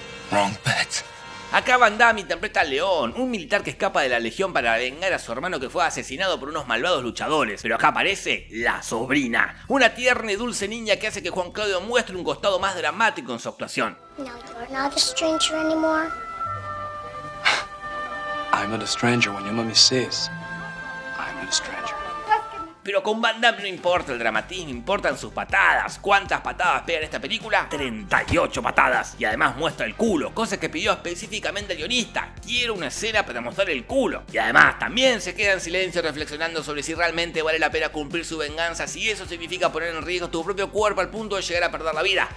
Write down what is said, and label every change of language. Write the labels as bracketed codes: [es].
[en] Wrong bet. [es] Acá Van Damme interpreta a León, un militar que escapa de la legión para vengar a su hermano que fue asesinado por unos malvados luchadores. Pero acá aparece la sobrina, una tierna y dulce niña que hace que Juan Claudio muestre un costado más dramático en su actuación. [en] No, you're not a stranger anymore. I'm not a stranger when your mommy says I'm not a stranger. [es] Pero con Van Damme no importa el dramatismo, importan sus patadas. ¿Cuántas patadas pega en esta película? 38 patadas. Y además muestra el culo, cosa que pidió específicamente el guionista. Quiero una escena para mostrar el culo. Y además también se queda en silencio reflexionando sobre si realmente vale la pena cumplir su venganza, si eso significa poner en riesgo tu propio cuerpo al punto de llegar a perder la vida.